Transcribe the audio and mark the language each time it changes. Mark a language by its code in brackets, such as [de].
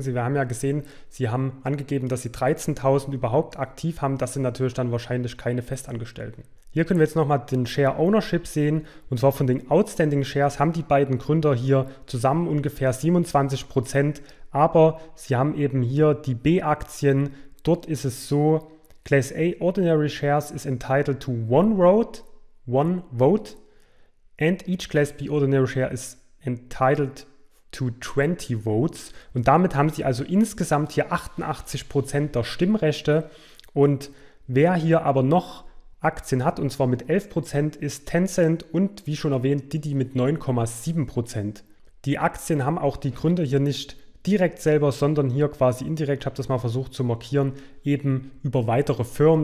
[de] Sie haben ja gesehen, sie haben angegeben, dass sie 13.000 überhaupt aktiv haben. Das sind natürlich dann wahrscheinlich keine Festangestellten. Hier können wir jetzt nochmal den Share Ownership sehen. Und zwar von den Outstanding Shares haben die beiden Gründer hier zusammen ungefähr 27%. Aber sie haben eben hier die B-Aktien. Dort ist es so, [en] Class A Ordinary Shares is entitled to one vote, and each Class B Ordinary Share is entitled to 20 votes. [de] Und damit haben sie also insgesamt hier 88% der Stimmrechte. Und wer hier aber noch Aktien hat, und zwar mit 11%, ist Tencent und, wie schon erwähnt, Didi mit 9,7%. Die Aktien haben auch die Gründer hier nicht direkt selber, sondern hier quasi indirekt, habe das mal versucht zu markieren, eben über weitere Firmen.